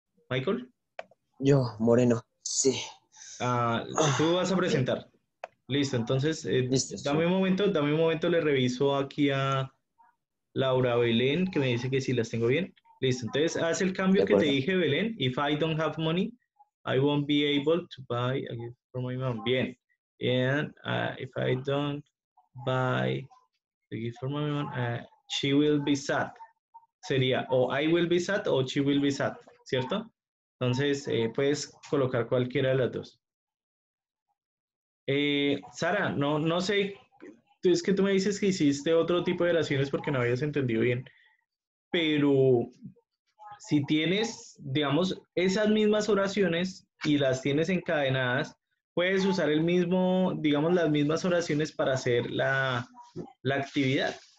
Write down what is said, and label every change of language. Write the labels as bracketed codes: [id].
[es] ¿Michael? Yo, Moreno, sí. Tú vas a presentar. Listo, entonces, listo, dame un momento, le reviso aquí a Laura Belén, que me dice que sí las tengo bien. Listo, entonces, haz el cambio que te dije, Belén. [en] If I don't have money, I won't be able to buy a gift for my mom. [es] Bien. [en] And if I don't buy a gift for my mom, she will be sad. [es] Sería o [en] I will be sad o she will be sad, [es] ¿cierto? Entonces, puedes colocar cualquiera de las dos. Sara, no sé, es que tú me dices que hiciste otro tipo de oraciones porque no habías entendido bien, pero si tienes, digamos, esas mismas oraciones y las tienes encadenadas, puedes usar el mismo, digamos, las mismas oraciones para hacer la actividad.